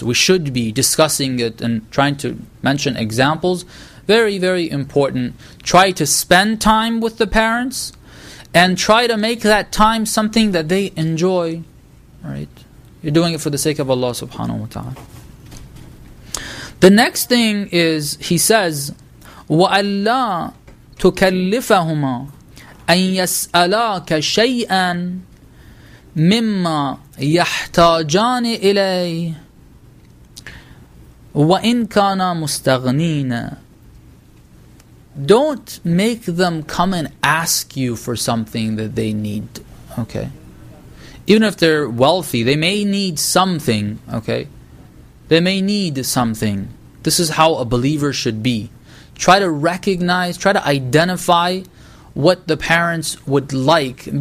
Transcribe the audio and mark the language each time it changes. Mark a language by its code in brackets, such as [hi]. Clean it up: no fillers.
[en] We should be discussing it and trying to mention examples. Very, very important. Try to spend time with the parents and try to make that time something that they enjoy. Right? You're doing it for the sake of Allah subhanahu wa ta'ala. The next thing is, he says, [ar] وَأَلَّا تُكَلِّفَهُمَا أَن يَسْأَلَاكَ شَيْئًا مِمَّا يَحْتَاجَانِ إِلَيْهِ وَإِن كَانَ مُسْتَغْنِينَ. [en] Don't make them come and ask you for something that they need. Okay? Even if they're wealthy, they may need something. Okay? They may need something. This is how a believer should be. Try to recognize, try to identify what the parents would like.